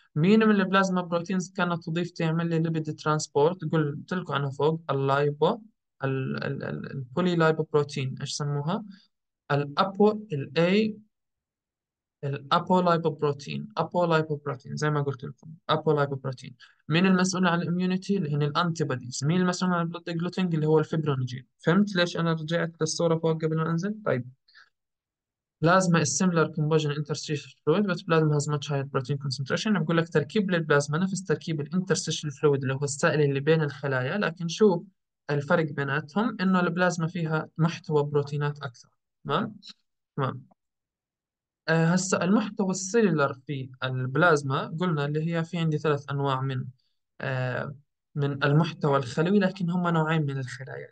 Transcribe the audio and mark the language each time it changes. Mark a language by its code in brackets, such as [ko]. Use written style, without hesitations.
[ar] مين من البلازما بروتينز كانت تضيف تعمل لي lipid transport؟ قلت لكم عنها فوق، اللايبو، البولي لايبو بروتين، ايش سموها؟ الابو، الاي، الابو لايبو بروتين، ابو لايبو بروتين زي ما قلت لكم، ابو لايبو بروتين. مين المسؤول عن الاميونيتي؟ اللي هن الانتي بوديز. مين المسؤول عن البلود جلوتينج؟ اللي هو الفيبرونوجين. فهمت ليش انا رجعت للصوره فوق قبل ما انزل؟ طيب، [en] Plasma is similar combustion interstitial fluid but plasma has much higher protein concentration. [ar] أنا بقول لك تركيب البلازما نفس تركيب الانترستيشن فلويد اللي هو السائل اللي بين الخلايا، لكن شو الفرق بيناتهم؟ انه البلازما فيها محتوى بروتينات اكثر. تمام تمام هسه المحتوى السيلولر في البلازما قلنا اللي هي في عندي 3 انواع من المحتوى الخلوي، لكن هم نوعين من الخلايا.